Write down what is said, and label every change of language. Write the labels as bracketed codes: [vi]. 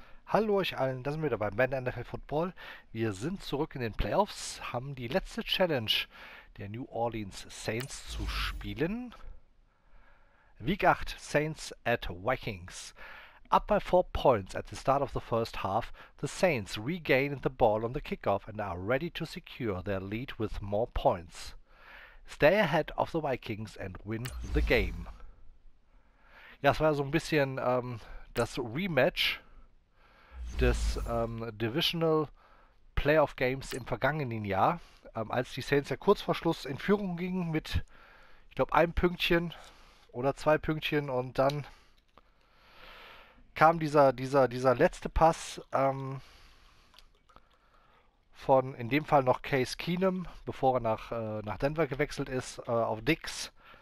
[de] Hallo euch allen, da sind wir wieder beim Madden NFL Football. Wir sind zurück in den Playoffs, haben die letzte Challenge der New Orleans Saints zu spielen. [en] Week 8, Saints at Vikings. Up by 4 points at the start of the first half, the Saints regain the ball on the kickoff and are ready to secure their lead with more points. Stay ahead of the Vikings and win the game. [de] Ja, es war so ein bisschen das Rematch des Divisional Playoff Games im vergangenen Jahr, als die Saints ja kurz vor Schluss in Führung gingen mit, ich glaube, einem Pünktchen oder zwei Pünktchen, und dann kam dieser letzte Pass von, in dem Fall noch Case Keenum, bevor er nach Denver gewechselt ist, auf Diggs.